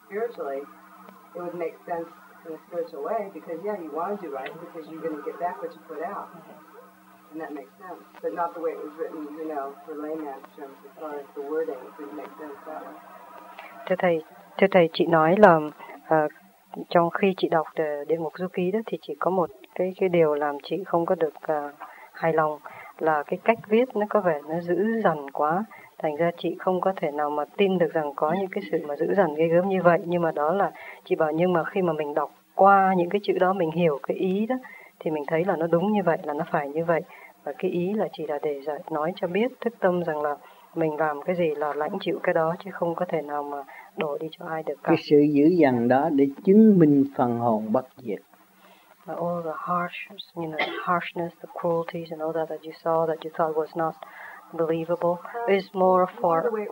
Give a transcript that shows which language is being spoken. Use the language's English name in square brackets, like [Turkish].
[English] To me that's what voyage of hell is, it's being true to yourself, to your higher divine purpose. I just, the book, the way it was written, turned me off only because it was almost, it seemed very harsh, very unreal, almost kind of, you know, not real, you know, but to me, if I was to look at the meaning of it spiritually, it would make sense. In a spiritual way, because yeah, you want to do right because you're going to get back what you put out, and that makes sense. But not the way it was written, you know, for layman's terms as far as the wording didn't make sense that way. [Vietnamese] Thưa thầy, chị nói là trong khi chị đọc Địa Ngục Du Ký đó thì chỉ có một cái điều làm chị không có được hài lòng là cái cách viết nó có vẻ nó dữ dằn quá. Thành ra chị không có thể nào mà tin được rằng có những cái sự mà dữ dằn ghê gớm như vậy. Nhưng mà đó là, chị bảo nhưng mà khi mà mình đọc qua những cái chữ đó, mình hiểu cái ý đó, thì mình thấy là nó đúng như vậy, là nó phải như vậy. Và cái ý là chỉ là để nói cho biết thức tâm rằng là mình làm cái gì là lãnh chịu cái đó, chứ không có thể nào mà đổ đi cho ai được cả. Cái sự dữ dằn đó để chứng minh phần hồn bất diệt. [English] All the harshness, you know, the harshness, the cruelties and all that that you saw, that you thought was not believable, is more for...